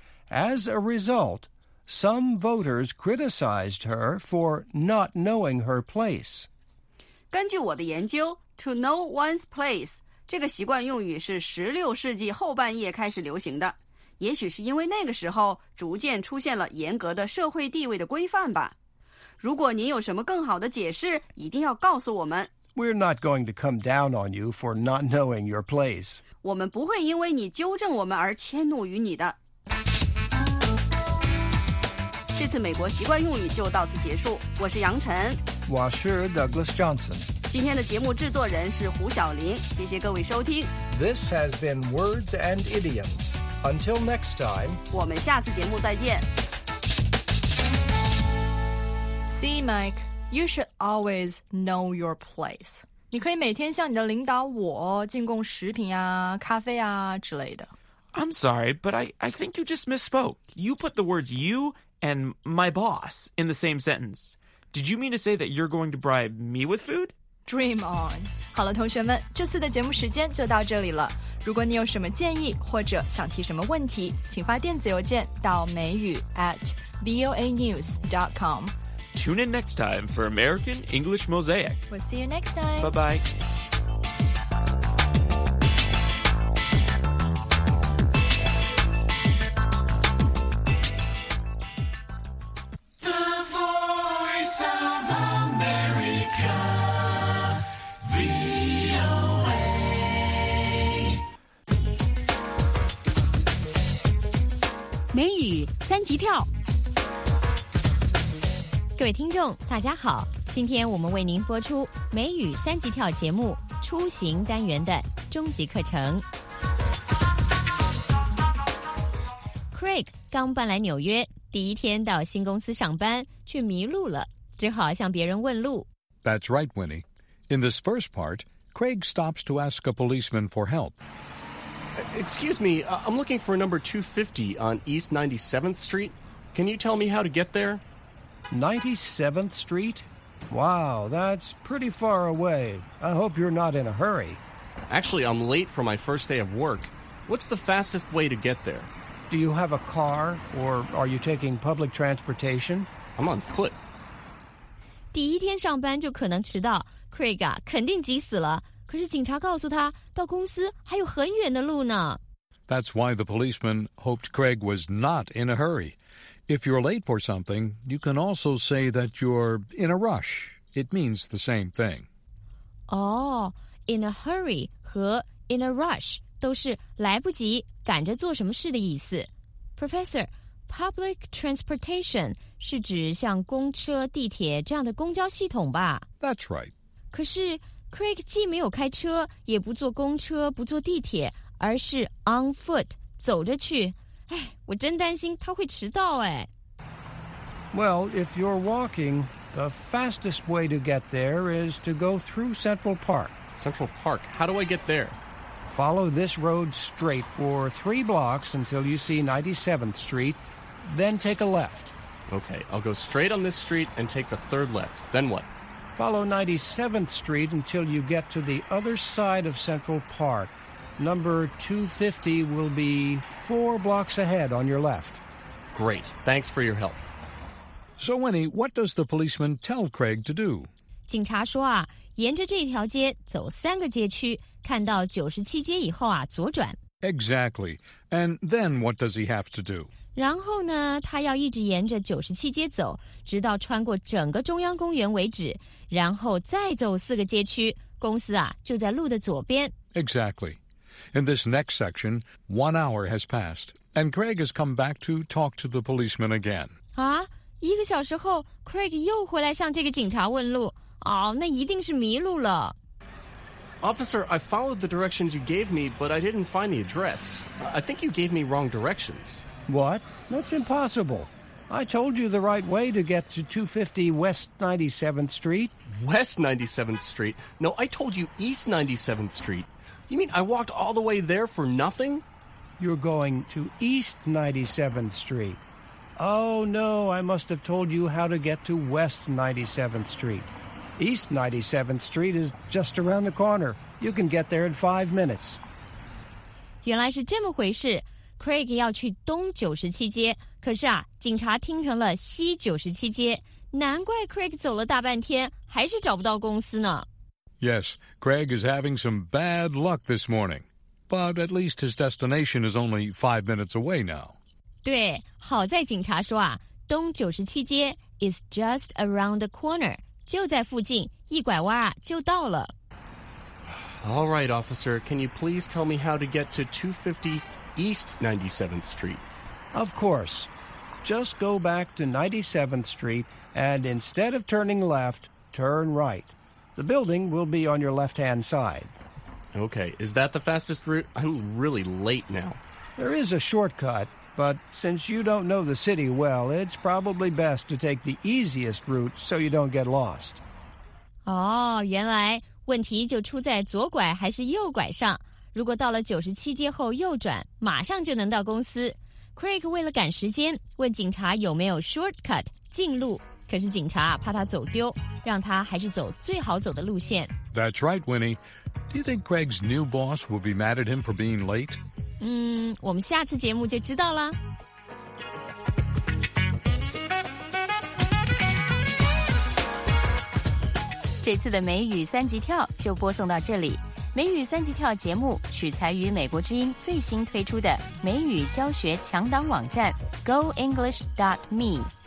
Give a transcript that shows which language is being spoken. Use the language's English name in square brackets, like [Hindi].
[English] As a result, some voters criticized her for not knowing her place. [Chinese] 根据我的研究 , [English] to know one's place, [Chinese] 这个习惯用语是16世纪后半叶开始流行的。也许是因为那个时候逐渐出现了严格的社会地位的规范吧。如果您有什么更好的解释，一定要告诉我们。 [English] We're not going to come down on you for not knowing your place. [Chinese] 我们不会因为你纠正我们而迁怒于你的。这次美国习惯用语就到此结束，我是杨晨，我是 Douglas Johnson，今天的节目制作人是胡晓林，谢谢各位收听。 [English] This has been Words and Idioms. Until next time， [Chinese] 我们下次节目再见。 [English] See Mike, you should always know your place. [Chinese] 你可以每天向你的领导我进贡食品啊、咖啡啊之类的。 [English] I'm sorry, but I think you just misspoke. You put the words youand my boss in the same sentence. Did you mean to say that you're going to bribe me with food? Dream on. 好了，同学们，这次的节目时间就到这里了。如果你有什么建议或者想提什么问题，请发电子邮件到美语@voanews.com. Tune in next time for American English Mosaic. We'll see you next time. Bye-bye. [Chinese] 美语三级跳。各位听众大家好，今天我们为您播出美语三级跳节目出行单元的终极课程。 Craig 刚搬来纽约，第一天到新公司上班却迷路了，只好向别人问路。 [English] That's right, Winnie. In this first part, Craig stops to ask a policeman for help. Excuse me, I'm looking for number 250 on East 97th Street. Can you tell me how to get there? 97th Street? Wow, that's pretty far away. I hope you're not in a hurry. Actually, I'm late for my first day of work. What's the fastest way to get there? Do you have a car, or are you taking public transportation? I'm on foot. [Chinese] 第一天上班就可能迟到， Craig 啊，肯定急死了。可是警察告诉他，到公司还有很远的路呢。 [English] That's why the policeman hoped Craig was not in a hurry. If you're late for something, you can also say that you're in a rush. It means the same thing. [Chinese] Oh, [English] in a hurry [Chinese] 和 [English] in a rush [Chinese] 都是来不及、赶着做什么事的意思。 Professor, [English] public transportation [Chinese] 是指像公车、地铁这样的公交系统吧？ [English] That's right. [Chinese] 可是 Craig 既没有开车，也不坐公车、不坐地铁，而是 [English] on foot [Chinese] 走着去。哎，我真担心他会迟到哎。 [English] Well, if you're walking, the fastest way to get there is to go through Central Park. Central Park? How do I get there? Follow this road straight for 3 blocks until you see 97th Street, then take a left. Okay, I'll go straight on this street and take the 3rd left. Then what? Follow 97th Street until you get to the other side of Central Park. Number 250 will be 4 blocks ahead on your left. Great. Thanks for your help. So, Winnie, what does the policeman tell Craig to do? [Chinese] 警察说啊，沿着这条街走3个街区，看到97街以后啊，左转。 [English] Exactly. And then what does he have to do? [Chinese] 然后呢，他要一直沿着97街走，直到穿过整个中央公园为止，然后再走4个街区，公司啊，就在路的左边。 [English] Exactly. In this next section, 1 hour has passed, and Craig has come back to talk to the policeman again. [Chinese] 啊，一个小时后 ，Craig 又回来向这个警察问路。哦，那一定是迷路了。 [English] Officer, I followed the directions you gave me, but I didn't find the address. I think you gave me wrong directions. What? That's impossible. I told you the right way to get to 250 West 97th Street. West 97th Street? No, I told you East 97th Street. You mean I walked all the way there for nothing? You're going to East 97th Street. Oh, no, I must have told you how to get to West 97th Street. East 97th Street is just around the corner. You can get there in 5 minutes. [Chinese] 原来是这么回事。 Craig 要去东97街，可是啊，警察听成了西97街。难怪 Craig 走了大半天，还是找不到公司呢。 [English] Yes, Craig is having some bad luck this morning. But at least his destination is only 5 minutes away now. [Chinese] 对，好在警察说啊，东97街 [English] is just around the corner, [Chinese] 就在附近，一拐弯啊，就到了。 [English] All right, officer, can you please tell me how to get to 250 East 97th Street? Of course. Just go back to 97th Street, and instead of turning left, turn right. The building will be on your left-hand side. Okay, is that the fastest route? I'm really late now. There is a shortcut, but since you don't know the city well, it's probably best to take the easiest route so you don't get lost. [Chinese] Oh, 原来问题就出在左拐还是右拐上。如果到了97街后右转，马上就能到公司。 Craig 为了赶时间，问警察有没有 shortcut, 近路。可是警察怕他走丢，让他还是走最好走的路线。 [English] That's right, Winnie. Do you think Craig's new boss will be mad at him for being late? [Chinese] 我们下次节目就知道了。这次的美语三级跳就播送到这里。美语三级跳节目取材于美国之音最新推出的美语教学强档网站 goenglish.me。